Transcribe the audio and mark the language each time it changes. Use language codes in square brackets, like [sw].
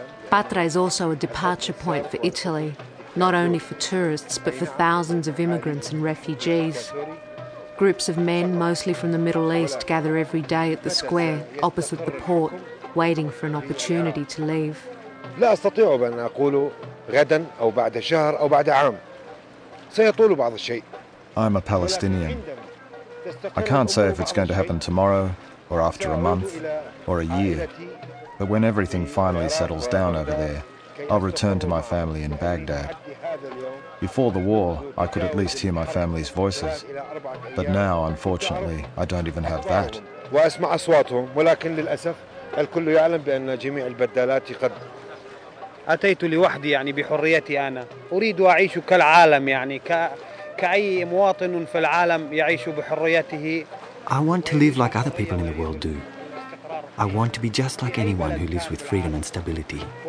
[en] Patra is also a departure point for Italy, not only for tourists, but for thousands of immigrants and refugees. Groups of men, mostly from the Middle East, gather every day at the square opposite the port, waiting for an opportunity to leave. [ar] لا أستطيع أن أقول غدا أو بعد شهر أو بعد عام. سيطول بعض الشيء. [en] I'm a Palestinian. I can't say if it's going to happen tomorrow or after a month or a year. But when everything finally settles down over there, I'll return to my family in Baghdad. Before the war, I could at least hear my family's voices. But now, unfortunately, I don't even have that. [ar] وأسمع أصواتهم ولكن للأسف الكل يعلم بأن جميع البدالات قد أتيت لوحدي يعني بحريتي أنا أريد أعيش كالعالم يعني كأي مواطن في العالم يعيش بحريته. [en] I want to live like other people in the world do. I want to be just like anyone who lives with freedom and stability.